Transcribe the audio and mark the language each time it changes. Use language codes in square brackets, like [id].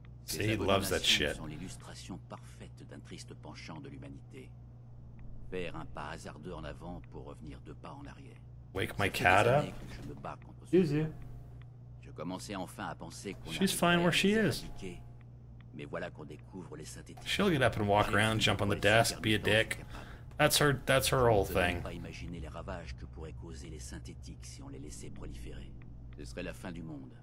[fr] Ces abominations sont l'illustration parfaite d'un triste penchant de l'humanité. Faire un pas hasardeux en avant pour revenir deux pas en arrière. [en] Wake my cat up. [fr] Je me bats contre ce monde. Je commençais enfin à penser qu'on [en] She's fine where she is. [fr] Mais voilà qu'on découvre les synthétiques. [en] She'll get up and walk around, jump on the desk, be a dick. That's her whole thing. [fr] Pas imaginer les ravages que pourraient causer les synthétiques si on les laissait proliférer. Ce serait la fin du monde.